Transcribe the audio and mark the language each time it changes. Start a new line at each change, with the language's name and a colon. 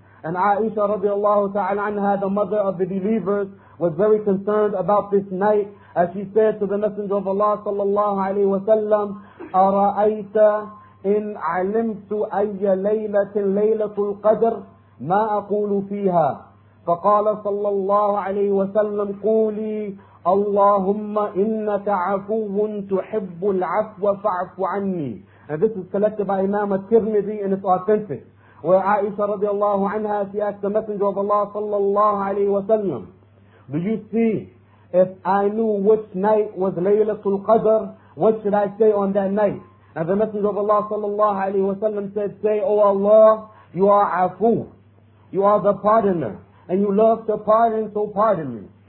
English: And Aisha radiallahu ta'ala anha, the mother of the believers, was very concerned about this night, as she said to the Messenger of Allah sallallahu alayhi wa sallam,
Arabic: أَرَأَيْتَ إِنْ عَلِمْتُ أَيَّ لَيْلَةٍ لَيْلَةُ الْقَدْرِ مَا أَقُولُ فِيهَا. فَقَالَ sallallahu alayhi wa sallam, قُولِي أَلَّهُمَّ إِنَّكَ عَفُوٌ تُحِبُّ الْعَفْوَ فَعْفُ عَنِّي.
English: And this is collected by Imam al-Tirmidhi and it's authentic. Where Aisha radiallahu anha, she asked the Messenger of Allah sallallahu alayhi wa sallam, do you see, if I knew which night was Laylatul Qadr, what should I say on that night? And the Messenger of Allah sallallahu alayhi wa sallam said, say, O Allah, you are afu, you are the pardoner, and you love to pardon, so pardon me.